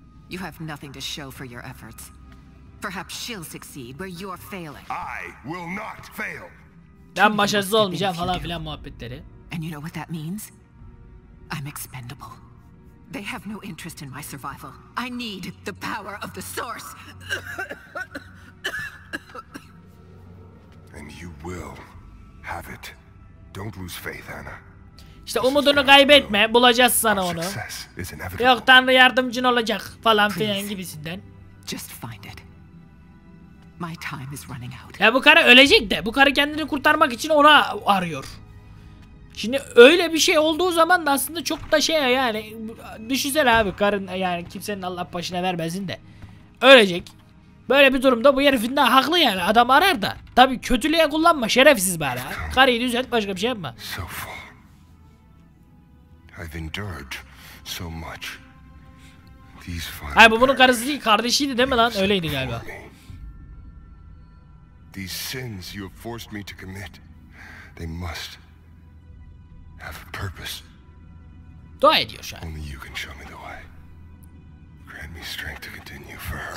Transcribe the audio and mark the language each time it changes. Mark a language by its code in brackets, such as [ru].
[en] You have nothing to show for your efforts. Perhaps she'll succeed where you're failing. I will not fail. [tr] Ben başarısız olmayacağım falan filan muhabbetleri. [en] And you know what that means? I'm expendable. They have no interest in my survival. I need the power of the source. And you will have it. Don't lose faith, Anna. [tr] İşte umudunu kaybetme. Bulacağız sana onu. Yok, Tanrı yardımcın olacak falan filan gibisinden. [en] Just find it. My time is running out. [tr] Ya bu karı ölecek de. Bu karı kendini kurtarmak için onu arıyor. Şimdi öyle bir şey olduğu zaman da aslında çok da şey yani. Düşünsene abi, karın yani kimsenin Allah başına vermesin de. Ölecek. Böyle bir durumda bu herifin de haklı yani. Adam arar da. Tabii kötülüğe kullanma şerefsiz bari. Karıyı düzelt, başka bir şey yapma. [en] So far. I've endured so much. These final. [tr] Hayır, bu bunun karısı değil, kardeşiydi değil mi lan? Öyleydi galiba. [en] These sins you have forced me to commit, they must have a purpose. [tr] Dua ediyor şu an. [en] Only you can show me the way. Grant me strength to continue for her.